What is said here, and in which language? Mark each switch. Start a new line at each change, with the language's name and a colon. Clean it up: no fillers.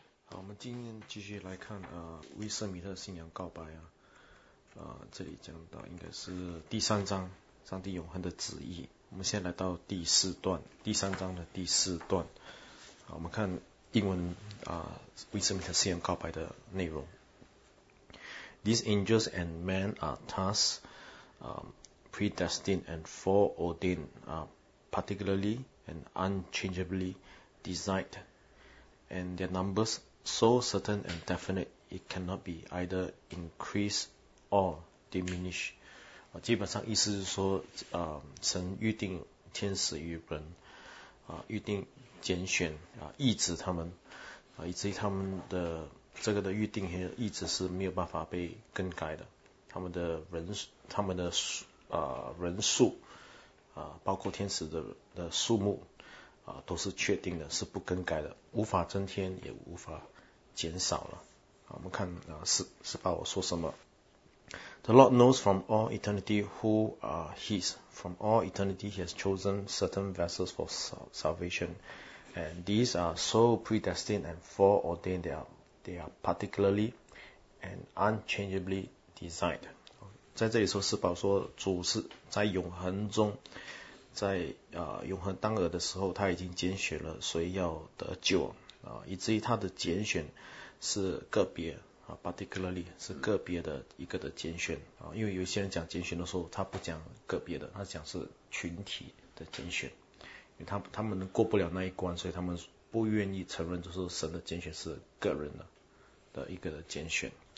Chinese: 我们今天继续来看威瑟米特新娘告白这里讲到应该是第三章，上帝永恒的旨意。我们先来到第四段，第三章的第四段。我们看英文威瑟米特新娘告白的内容。
English: These angels and men are thus predestined and foreordained, particularly and unchangeably designed, and their numbers so certain and definite, it cannot be either increased or diminished。
Chinese: 基本上意思是说，神预定天使与人，预定拣选，意志他们，以至于他们的这个的预定和意志是没有办法被更改的。他们的人数，包括天使的数目，都是确定的，是不更改的，无法增添，也无法减少了。我们看18我说什么？
English: The Lord knows from all eternity who are His. From all eternity, He has chosen certain vessels for salvation, and these are so predestined and foreordained. They are particularly and unchangeably designed.
Chinese: 在这里说，是宝说主是在永恒中，在永恒当儿的时候，他已经拣选了谁要得救以至于他的拣选。是个别particularly 是个别的一个的拣选因为有些人讲拣选的时候，他不讲个别的，他讲是群体的拣选，因为他们过不了那一关，所以他们不愿意承认，就是神的拣选是个人的一个的拣选。